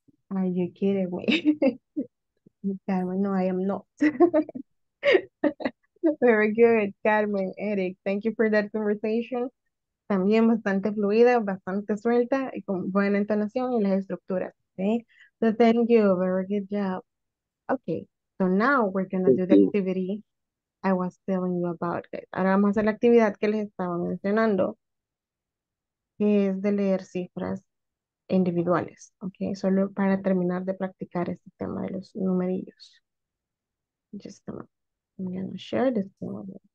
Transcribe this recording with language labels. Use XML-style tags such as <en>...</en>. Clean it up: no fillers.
<en>Are you kidding me? Carmen, no, I am not. Very good, Carmen, Eric. Thank you for that conversation.</en> <es>También bastante fluida, bastante suelta, y con buena entonación y las estructuras.</es> <en>Okay? So thank you. Very good job. Okay, so now we're going to do the activity I was telling you about. It.</en> <es>Ahora vamos a hacer la actividad que les estaba mencionando, que es de leer cifras individuales, ok, solo para terminar de practicar este tema de los numerillos.</es> <en>Just a moment. I'm gonna share this one.</en>